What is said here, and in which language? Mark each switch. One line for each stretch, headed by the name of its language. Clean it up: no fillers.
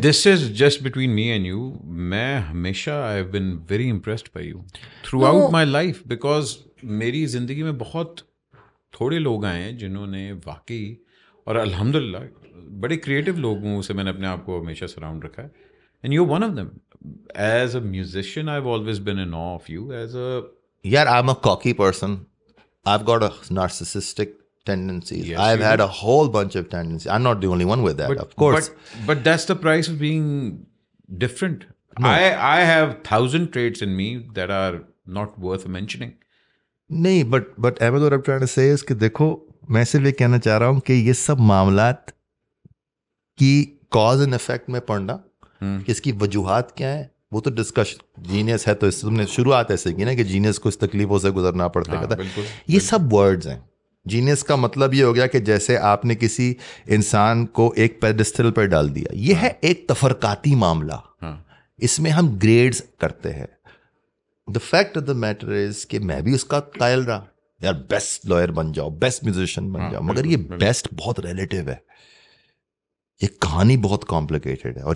English: this is just between me and you,
Hindi: मैं हमेशा
English: I have been very impressed by you throughout my life,
Hindi: because मेरी जिंदगी में बहुत थोड़े लोग आए हैं जिन्होंने वाकई, और अल्हम्दुलिल्लाह बड़े क्रिएटिव लोगों से मैंने अपने आप को हमेशा सराउंड रखा है,
English: And you one of them. As a musician I have always been in of you, as a Yeah, I'm a cocky person. I've got a narcissistic tendencies. Yes, I've had a whole bunch of tendencies. I'm not the only one with that, of course. But that's the price of being different. No. I have 1,000 traits in me that are not worth mentioning.
Hindi: Nahin, but Ahmed,
English: what I'm trying to say is
Hindi: ki dekho, main sirf ye kehna cha raha hu ki ye sab mamlaat ki cause and effect mein padna, iski wajuhat kya hai, वो तो discussion genius है। तो इससे तुमने शुरुआत ऐसे की ना कि जीनियस को इस तकलीफों से गुजरना पड़ता है। ये सब वर्ड्स हैं। जीनियस का मतलब ये हो गया कि जैसे आपने किसी इंसान को एक पेडेस्टल पर डाल दिया, ये है एक तफरकाती मामला। इसमें हम ग्रेड्स करते हैं।
English: the fact of the matter is
Hindi: कि मैं भी उसका कायल रहा, यार बेस्ट लॉयर बन जाओ, बेस्ट म्यूजिशियन बन जाओ, मगर ये बेस्ट बहुत रिलेटिव है, ये कहानी बहुत कॉम्प्लिकेटेड है।